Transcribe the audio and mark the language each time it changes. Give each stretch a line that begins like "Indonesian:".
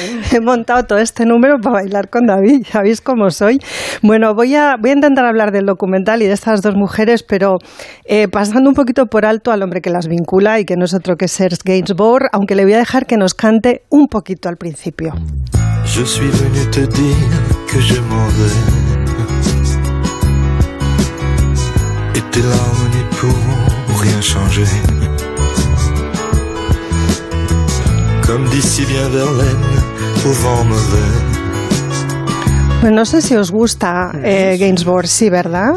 Spanish: He montado todo este número para bailar con David, ya veis cómo soy. Bueno, voy a intentar hablar del documental y de estas dos mujeres, pero pasando un poquito por alto al hombre que las vincula y que no es otro que Serge Gainsbourg, aunque le voy a dejar que nos cante un poquito al principio.
French: Je suis venu te dire que je m'en vais. Et tes larmes n'y pourront rien changer. Comme dit si bien Verlaine au vent mauvais.
Spanish: No sé si os gusta Gainsbourg, sí, ¿verdad?